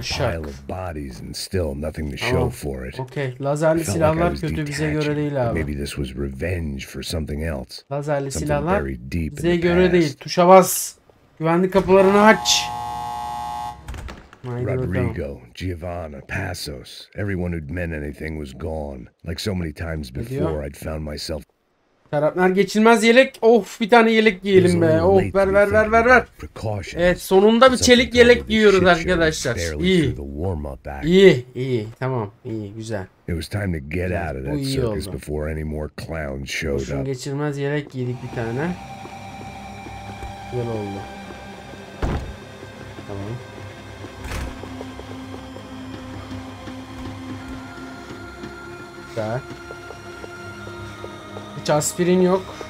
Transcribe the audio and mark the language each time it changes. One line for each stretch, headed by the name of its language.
English: Pile of bodies and still nothing to show for it.
Turkish: Okay, lazerli silahlar kötü, bize göre değil abi.
English: Maybe this was revenge for something else.
Turkish: Lazerli silahlar bize göre değil. Tuşa bas. Güvenlik kapılarını aç.
English: Rodrigo, Giovanna, Passos, everyone who'd meant anything was gone. Like so many times before, I'd found myself.
Turkish: Şarapnel geçilmez yelek. Of, bir tane yelek giyelim be. Of, ver ver ver ver ver. Evet, sonunda bir çelik yelek giyiyoruz arkadaşlar. İyi. İyi, iyi. Tamam, iyi, güzel.
English: It was time to get out of that circus before any more clowns showed up.
Turkish: Geçilmez yelek giydik bir tane. Güzel oldu. Tamam. Güzel. Hiç aspirin yok.